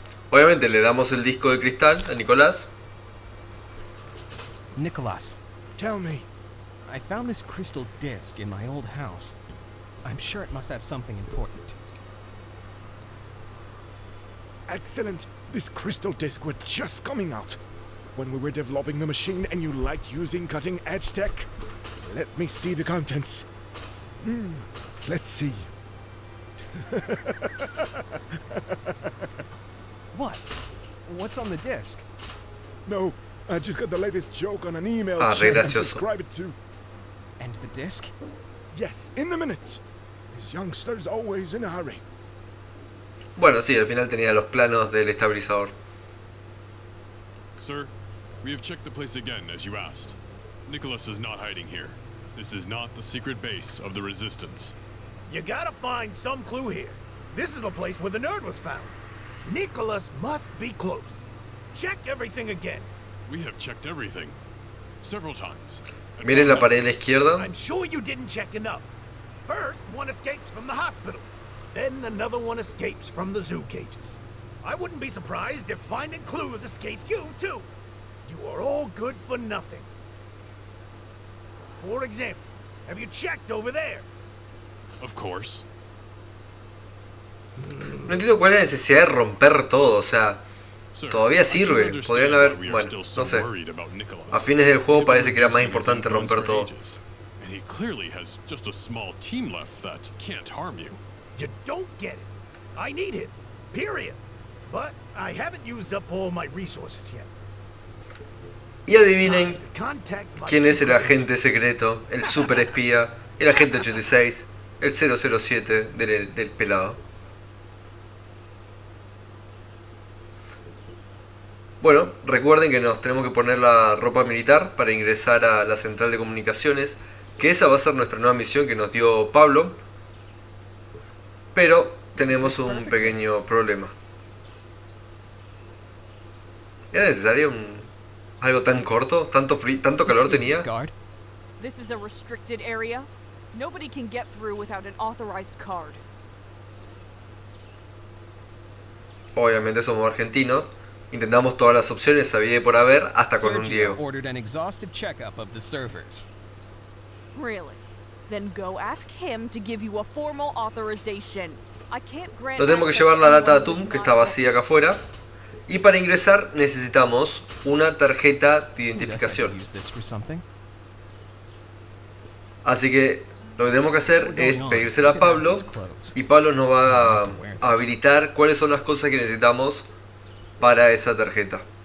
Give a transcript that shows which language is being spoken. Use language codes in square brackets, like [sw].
[es] Obviamente le damos el disco de cristal a Nicolás. Nicolás, [en] tell me, I found this crystal disc in my old house. I'm sure it must have something important. Excellent. This crystal disc was just coming out when we were developing the machine, and you like using cutting edge tech. Let me see the contents. Let's see. What? What's on the disc? No, I just got the latest joke on an email. [es] Ah, re gracioso. [en] Subscribe it to. And the disc? Yes, in a minute. Youngsters always in a hurry. [es] Bueno, sí, al final tenía los planos del estabilizador. [en] Sir, we have checked the place again as you asked. Nicholas is not hiding here. This is not the secret base of the resistance. You gotta find some clue here. This is the place where the nerd was found. Nicholas must be close. Check everything again. We have checked everything several times. [es] Miren la pared a la izquierda. [en] I'm sure you didn't check enough. First, one escapes from the hospital. Then another one escapes from the zoo cages. I wouldn't be surprised if finding clues escapes you, too. You are all good for nothing. For example, have you checked over there? Of course. [es] No entiendo cuál es la necesidad de romper todo, o sea, todavía sirve. Podrían haber, bueno, no sé. A fines del juego parece que era más importante romper todo. [en] He clearly has just a small team left that can't harm you. You don't get it. I need him. Period. But I haven't used up all my resources yet. [es] Y adivinen quién es el agente secreto, el super espía, el agente 86, el 007 del pelado. Bueno, recuerden que nos tenemos que poner la ropa militar para ingresar a la central de comunicaciones. Que esa va a ser nuestra nueva misión que nos dio Pablo. Pero tenemos un pequeño problema. ¿Era necesario un... algo tan corto? ¿Tanto frío? ¿Tanto calor tenía? [en] This is a restricted area. Nobody can get through without an authorized card. [es] Obviamente somos argentinos. Intentamos todas las opciones, había por haber, hasta con un Diego. [en] Sergio ordered an exhaustive checkup of the servers. Really? Then go ask him to give you a formal authorization. I can't grant. [es] No tenemos que llevar la lata de atún que está vacía acá afuera. Y para ingresar necesitamos una tarjeta de identificación. Así que lo que tenemos que hacer es pedírsela a Pablo y Pablo nos va a habilitar cuáles son las cosas que necesitamos para esa tarjeta.